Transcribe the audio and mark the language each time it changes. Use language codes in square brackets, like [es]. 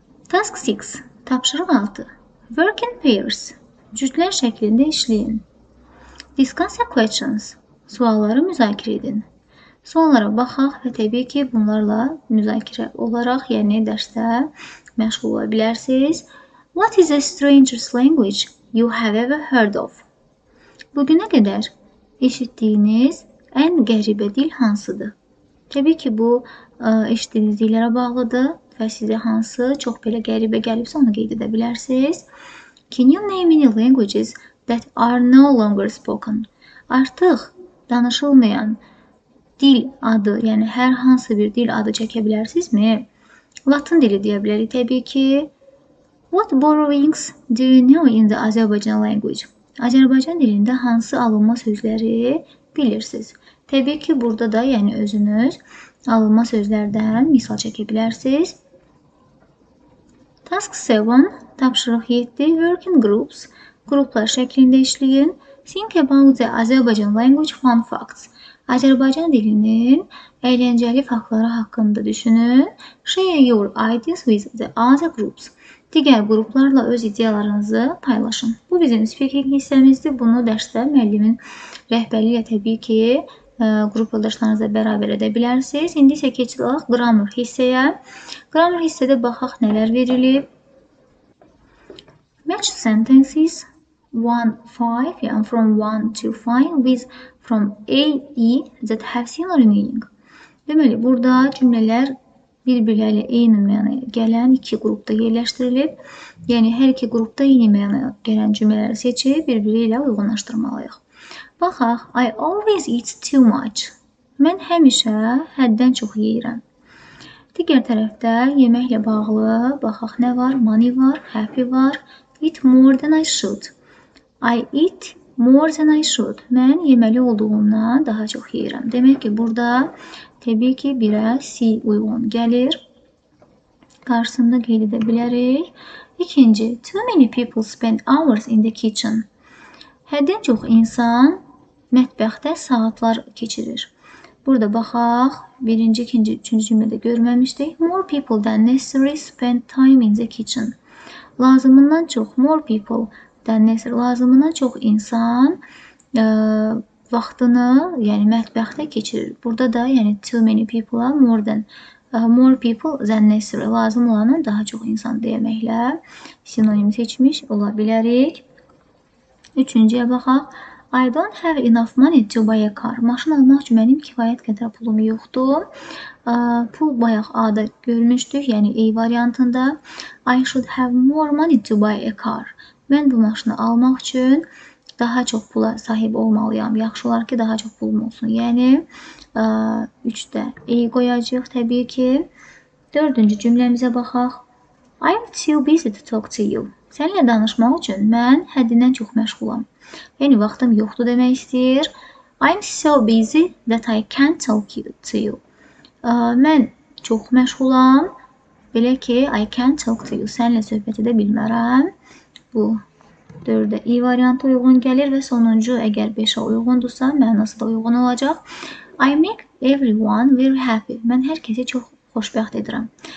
[en] Task 6, [az] tapşırıq 6. [en] Work in pairs, [az] cütlər şəklində işləyin. [en] Discuss your questions, [az] sualları müzakirə edin. Sonlara baxaq və təbii ki, bunlarla müzakirə olaraq, yəni dərsdə məşğul ola bilərsiniz. [en] What is a stranger's language you have ever heard of? [az] Bugünə qədər eşitdiyiniz ən qəribə dil hansıdır? Təbii ki, bu eşitdiyiniz dillərə bağlıdır və sizə hansı çox belə qəribə gəlibsə onu qeyd edə bilərsiniz. [en] Can you name any languages that are no longer spoken? [az] Artıq danışılmayan dil adı, yəni hər hansı bir dil adı çəkə bilərsinizmi? Latın dili deyə bilərik, təbii ki. [en] What borrowings do you know in the Azerbaijan language? [az] Azərbaycan dilində hansı alınma sözləri bilirsiniz? Təbii ki, burada da yəni özünüz alınma sözlərdən misal çəkə bilərsiniz. [en] Task 7, [az] tapşırıq 7, [en] working groups, [az] qruplar şəklində işləyin. [en] Think about the Azerbaijan language fun facts. [az] Azərbaycan dilinin əyləncəli faktları haqqında düşünün. [en] Share your ideas with the other groups. [az] Digər qruplarla öz ideyalarınızı paylaşın. Bu bizim speaking hissəmizdir. Bunu dərsdə müəllimin rəhbərliyi ilə təbii ki, qrup yoldaşlarınızla bərabər edə bilərsiniz. İndi isə keçid alaq grammar hissəyə. Grammar hissədə baxaq nələr verilib. [en] Match sentences 1-5 and from 1-5 with from A, E that have similar meaning. [az] Deməli, burada cümlələr bir-birlə eyni mənaya gələn iki qrupda yerləşdirilib. Yəni, hər iki qrupda eyni mənaya gələn cümlələri seçib, bir-biri ilə uyğunlaşdırmalıyıq. Baxaq, [en] I always eat too much. [az] Mən həmişə həddən çox yeyirəm. Digər tərəfdə yeməklə bağlı, baxaq, nə var? Money var, happy var. [en] Eat more than I should. I eat more than I should. [az] Mən yeməli olduğumdan daha çox yeyirəm. Demək ki, burada təbii ki, 1-ə C uyğun gəlir. Qarşısında qeyd edə bilərik. İkinci, [en] too many people spend hours in the kitchen. [az] Həddən çox insan mətbəxtdə saatlar keçirir. Burada baxaq, birinci, ikinci, üçüncü cümlədə görməmişdik. [en] More people than necessary spend time in the kitchen. [az] Lazımından çox [en] more people [az] dənləsir lazımına çox insan vaxtını, yəni mətbəxtdə keçirir. Burada da, yəni [en] too many people are more than more people than necessary [az] lazım olanı daha çox insan deməklə sinonim seçmiş ola bilərik. Üçüncüyə baxaq. [en] I don't have enough money to buy a car. [az] Maşın almaq üçün mənim kifayət qədər pulum yoxdur. Pul bayaq A-da görmüşdük, yəni A variantında. [en] I should have more money to buy a car. [az] Mən bu maşını almaq üçün daha çox pula sahib olmalıyam. Yaxşı olar ki, daha çox pulum olsun. Yəni, 3-də E qoyacaq təbii ki. 4-cü cümləmizə baxaq. [en] I'm too busy to talk to you. [az] Səninlə danışmaq üçün mən həddindən çox məşğulam. Yəni, vaxtım yoxdur demək istəyir. [en] I'm so busy that I can't talk to you. [az] Mən çox məşğulam. Belə ki, [en] I can't talk to you. [az] Səninlə söhbət edə bilmərəm. Bu 4-də i variantı uyğun gəlir və sonuncu əgər 5-ə uyğundursa, mənası da uyğun olacaq. [en] I make everyone very happy. [az] Mən hər kəsi çox xoşbəxt edirəm.